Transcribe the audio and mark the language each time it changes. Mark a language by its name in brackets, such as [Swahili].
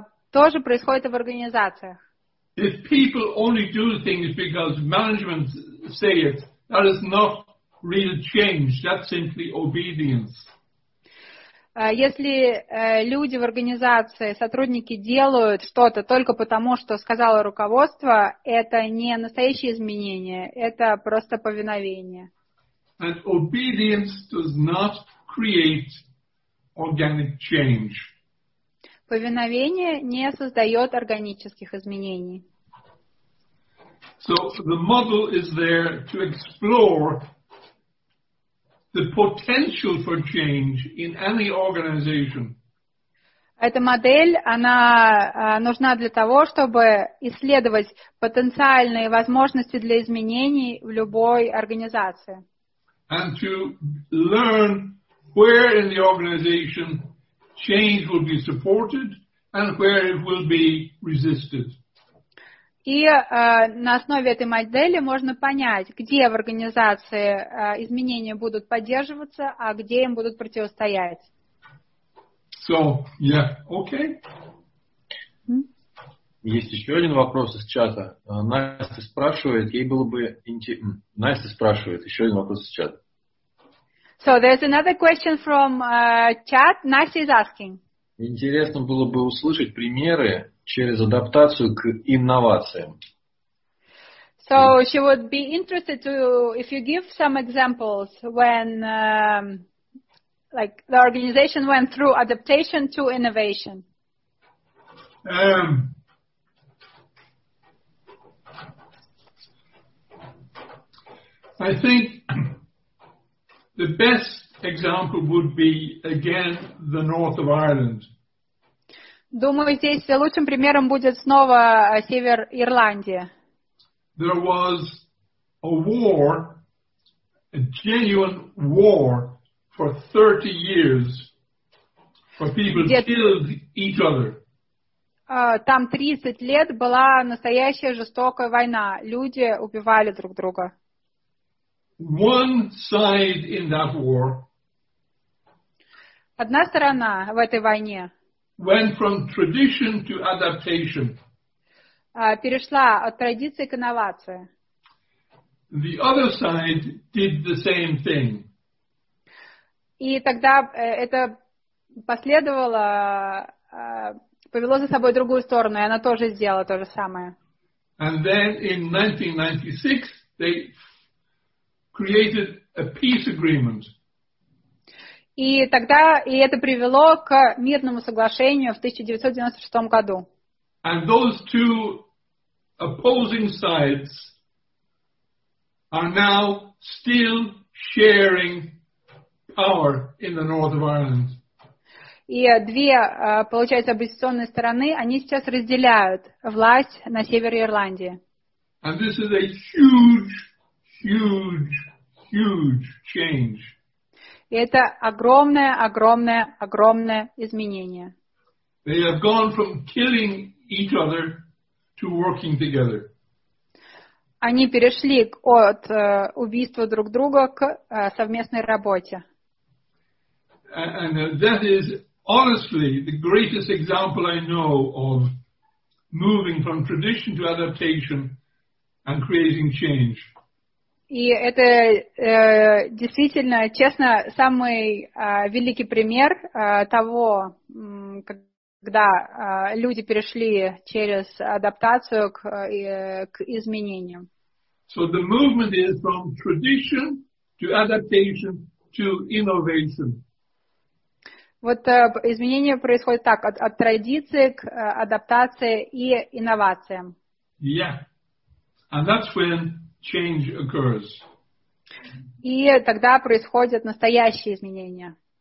[Russian] Тоже происходит и в организациях. [English] If people only do things because management say it, that is not real change, that's simply obedience. [Russian] Если люди в организации, сотрудники делают что-то только потому, что сказало руководство, это не настоящие изменения, это просто повиновение. [English] And obedience does not create organic change. [Russian] Повиновение не создает органических изменений. [English] So the model is there to explore the potential for change in any organization. [Russian] Эта модель, она нужна для того, чтобы исследовать потенциальные возможности для изменений в любой организации. [English] And to learn where in the organization change will be supported and where it will be resisted. [Russian] И на основе этой модели можно понять, где в организации изменения будут поддерживаться, а где им будут противостоять. [English] So, yeah, okay. [Russian] Есть еще один вопрос из чата. Настя спрашивает, ей было бы интересно. Настя спрашивает, еще один вопрос из чата. [English] So there's another question from chat. Nasty is asking. [Russian] Интересно было бы услышать примеры через адаптацию к инновациям. [English] So she would be interested to if you give some examples when like the organization went through adaptation to innovation. I think the best example would be, again, the north of Ireland. [Russian] Думаю, здесь лучшим примером будет снова север Ирландии. [English] There was a war, a genuine war, for 30 years, where people killed each other. [Russian] Там 30 лет была настоящая жестокая война. Люди убивали друг друга. [English] One side in that war. [Russian] Одна сторона в этой войне. [English] Went from tradition to adaptation. [Russian] Перешла от традиции к инновации. [English] The other side did the same thing. [Russian] И тогда это последовало, повело за собой другую сторону, и она тоже сделала то же самое. [English] And then in 1996 they created a peace agreement. [Russian] И тогда и это привело к мирному соглашению в 1996 году. [English] And those two opposing sides are now still sharing power in the north of Ireland. [Russian] И две, получается, оппозиционные стороны, они сейчас разделяют власть на севере Ирландии. [English] And this is a huge, huge, huge change. [Russian] И это огромное, огромное, огромное изменение. [English] They have gone from killing each other to working together. [Russian] Они перешли от убийства друг друга к совместной работе. [English] And that is honestly the greatest example I know of moving from tradition to adaptation and creating change. [Russian] И это действительно, честно, самый великий пример того, когда люди перешли через адаптацию к изменениям. [English] So the movement is from tradition to adaptation to innovation. [Russian] Вот изменения происходят так, от традиции к адаптации и инновациям. [English] Yeah. And that's when change occurs. [Russian] И тогда происходят настоящие изменения.